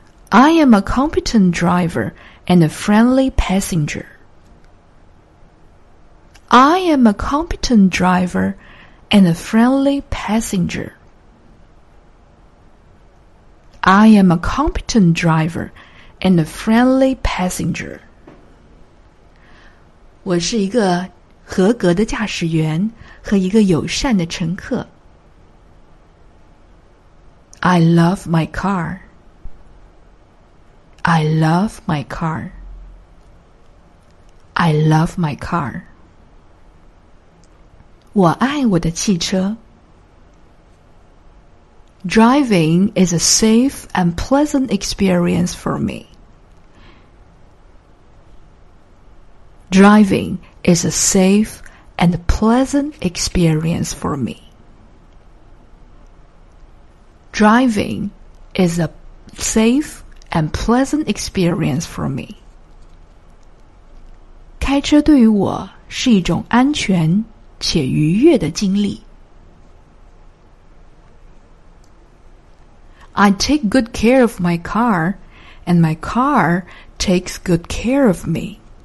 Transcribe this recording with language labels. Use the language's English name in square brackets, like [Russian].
[English] I am a competent driver and a friendly passenger. I am a competent driver and a friendly passenger. I am a competent driver and a friendly passenger. [Chinese] 我是一个合格的驾驶员和一个友善的乘客。 [English] I love my car. I love my car. I love my car. [Chinese] 我爱我的汽车。 [English] Driving is a safe and pleasant experience for me. Driving is a safe and pleasant experience for me. Driving is a safe and pleasant experience for me. [Chinese] 开车对于我是一种安全且愉悦的经历。 [English] I take good care of my car, and my car takes good care of me.